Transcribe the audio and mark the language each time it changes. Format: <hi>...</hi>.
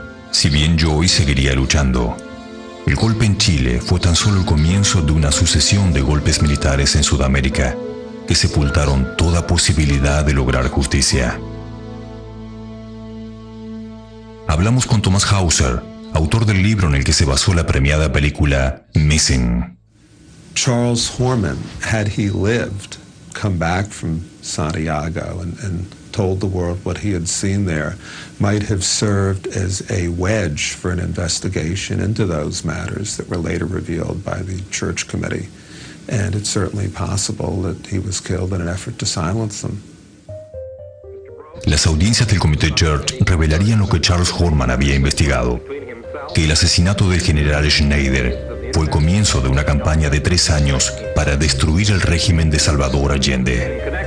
<es>Si bien Joey seguiría luchando, el golpe en Chile fue tan solo el comienzo de una sucesión de golpes militares en Sudamérica que sepultaron toda posibilidad de lograr justicia. Hablamos con Thomas Hauser, autor del libro en el que se basó la premiada película Missing.</es> <en>Charles Horman, had he lived, come back from Santiago and told the world what he had seen there, might have served as a wedge for an investigation into those matters that were later revealed by the church committee. And it's certainly possible that he was killed in an effort to silence them.</en> <es>Las audiencias del Comité Church revelarían lo que Charles Horman había investigado, que el asesinato del general Schneider fue el comienzo de una campaña de 3 años para destruir el régimen de Salvador Allende.</es>